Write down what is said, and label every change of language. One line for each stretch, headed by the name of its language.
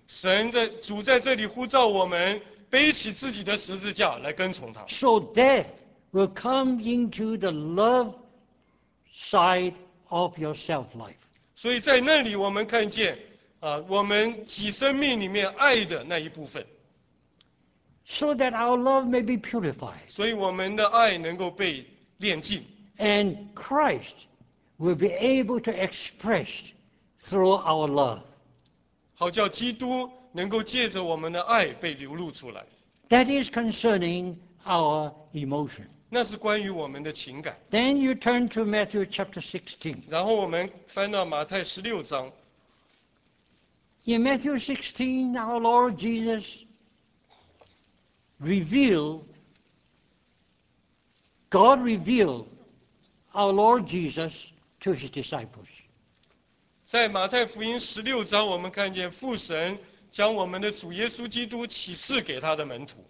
Chinese: 神在主在这里呼召我们背起自己的十字架来跟从他。
English: So death will come into the love side of your self-life.
Chinese: 所以在那里我们看见，我们己生命里面爱的那一部分。
English: So that our love may be purified.
Chinese: 所以我们的爱能够被炼净。
English: And Christ will be able to express through our love.
Chinese: 好叫基督能够借着我们的爱被流露出来。
English: That is concerning our emotion.
Chinese: 那是关于我们的情感。
English: Then you turn to Matthew chapter 16.
Chinese: 然后我们翻到马太十六章。
English: In Matthew 16, our Lord Jesus revealed our Lord Jesus to his disciples.
Chinese: 在马太福音十六章，我们看见父神将我们的主耶稣基督启示给他的门徒。